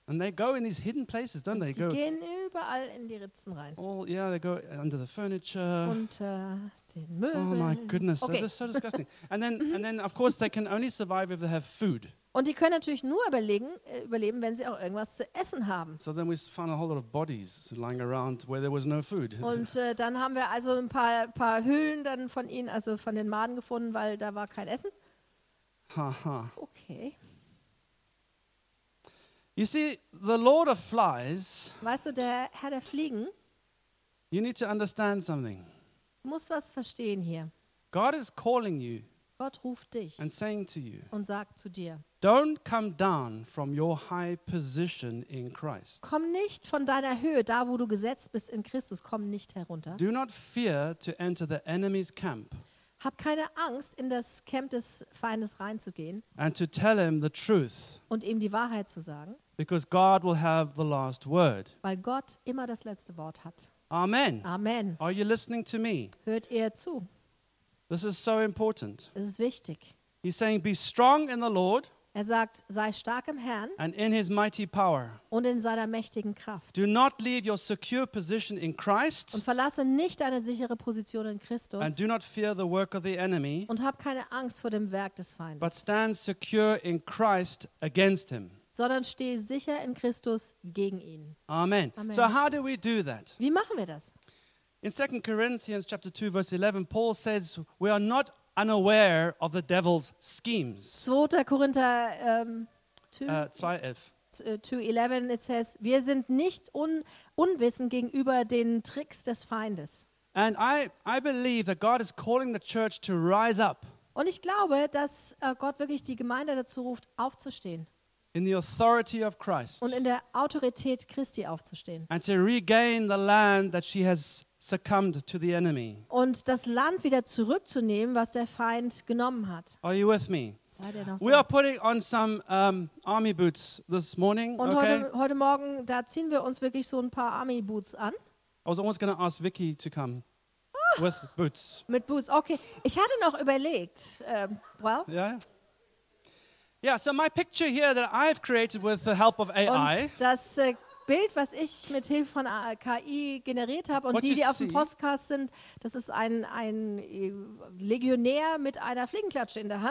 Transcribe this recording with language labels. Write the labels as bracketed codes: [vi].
[en] And they go in these hidden places, don't they? [de] Die gehen überall in die Ritzen rein. [en] Oh yeah, they go under the furniture. [de] Unter den Möbeln. [en] Oh my goodness, okay. This is so disgusting. And then of course they can only survive if they have food. [de] Und die können natürlich nur überleben, wenn sie auch irgendwas zu essen haben. [en] So then we found a whole lot of bodies lying around where there was no food. [de] Und dann haben wir also ein paar Hüllen dann von ihnen, also von den Maden gefunden, weil da war kein Essen. Haha. [en] Okay. You see, the Lord of flies. [de] Weißt du, der Herr der Fliegen. [en] You need to understand something. [de] Muss was verstehen hier. [en] God is calling you. [de] Gott ruft dich. [en] And saying to you. [de] Und sagt zu dir. [en] Don't come down from your high position in Christ. [de] Komm nicht von deiner Höhe, da wo du gesetzt bist in Christus, komm nicht herunter. [en] Do not fear to enter the enemy's camp. [de] Hab keine Angst, in das Camp des Feindes reinzugehen. [en] And to tell him the truth. [de] Und ihm die Wahrheit zu sagen. [en] Because God will have the last word. [de] Weil Gott immer das letzte Wort hat. Amen. Amen. [en] Are you listening to me? [de] Hört ihr zu? [en] This is so important. [de] Es ist wichtig. [en] He's saying, be strong in the Lord. [de] Er sagt, sei stark im Herrn. [en] And in his mighty power. [de] Und in seiner mächtigen Kraft. [en] Do not leave your secure position in Christ. [de] Und verlasse nicht deine sichere Position in Christus. [en] And do not fear the work of the enemy. [de] Und hab keine Angst vor dem Werk des Feindes. [en] But stand secure in Christ against him. [de] Sondern stehe sicher in Christus gegen ihn. [en] Amen. So how do we do that? [de] Wie machen wir das? [en] In 2 Corinthians chapter 2 verse 11 Paul says we are not unaware of the devil's schemes. [de] 2. Korinther 2:11 [en] it says [de] wir sind nicht unwissend gegenüber den Tricks des Feindes. [en] And I believe that God is calling the church to rise up. [de] Und ich glaube, dass Gott wirklich die Gemeinde dazu ruft aufzustehen. [en] In the authority of Christ. [de] Und in der Autorität Christi aufzustehen. [en] And to regain the land that she has succumbed to the enemy. [de] Und das Land wieder zurückzunehmen, was der Feind genommen hat. [en] Are you with me? [de] Seid ihr noch da? [en] We are putting on some army boots this morning. [de] Und [en] okay? [de] heute Morgen, da ziehen wir uns wirklich so ein paar Army Boots an. [en] I was almost going to ask Vicky to come with boots. [de] Mit Boots, okay. Ich hatte noch überlegt. [en] Well. Yeah. Yeah. So my picture here that I've created with the help of AI. [de] Und das Bild, was ich mit Hilfe von KI generiert habe und die auf dem Podcast sind, das ist ein Legionär mit einer Fliegenklatsche in der Hand.